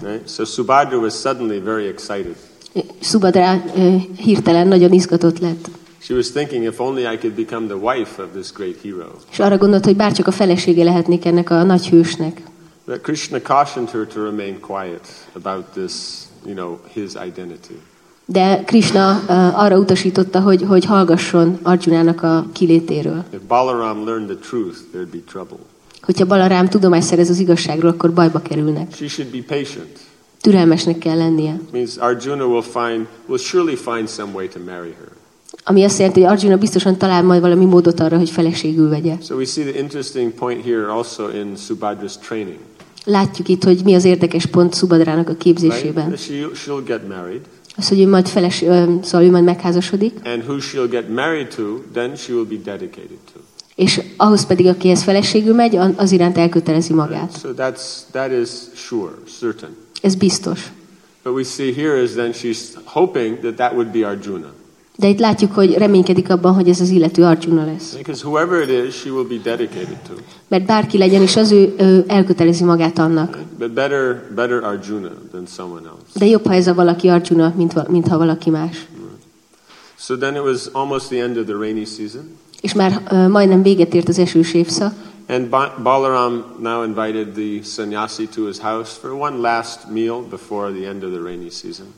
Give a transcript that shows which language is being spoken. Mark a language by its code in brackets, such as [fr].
[en] Right? So Subhadra was suddenly very excited. [hu] Subhadra hirtelen nagyon izgatott lett. [en] She was thinking, if only I could become the wife of this great hero. [hu] És arra gondolt, hogy bárcsak a felesége lehetnék ennek a nagy hősnek. [en] But Krishna cautioned her to remain quiet about this, you know, his identity. [hu] De Krishna arra utasította, hogy hallgasson Arjunának a kilétéről. [en] If Balaram learned the truth, there'd be trouble. [hu] Hogyha Balaram tudomást szerez az igazságról, akkor bajba kerülnek. [en] She should be patient. [hu] Türelmesnek kell lennie. [en] Means Arjuna will surely find some way to marry her. [hu] Ami azt jelenti, hogy Arjuna biztosan talál majd valami módot arra, hogy feleségül vegye. [en] So we see the interesting point here also in Subhadra's training. [hu] Látjuk itt, hogy mi az érdekes pont Subhadrának a képzésében. [en] Right? She'll get married. [hu] Az, hogy ő majd megházasodik. [en] And who she'll get married to, then she will be dedicated to. [hu] És ahhoz pedig, akihez feleségül megy, az iránt elkötelezi magát. [en] Right? So that is sure, certain. [hu] Ez biztos. [en] But we see here is then she's hoping that would be Arjuna. [hu] De itt látjuk, hogy reménykedik abban, hogy ez az illető Arjuna lesz. [en] Because whoever it is, she will be dedicated to. [hu] Mert bárki legyen is, az ő elkötelezi magát annak. [en] But better Arjuna than someone else. [hu] De jobb, ha ez a valaki Arjuna, mint ha valaki más. [en] So then it was almost the end of the rainy season. [hu] És már majdnem véget ért az esős évszak. [en] And Balaram now invited the sannyasi to his house for one last meal before the end of the rainy season.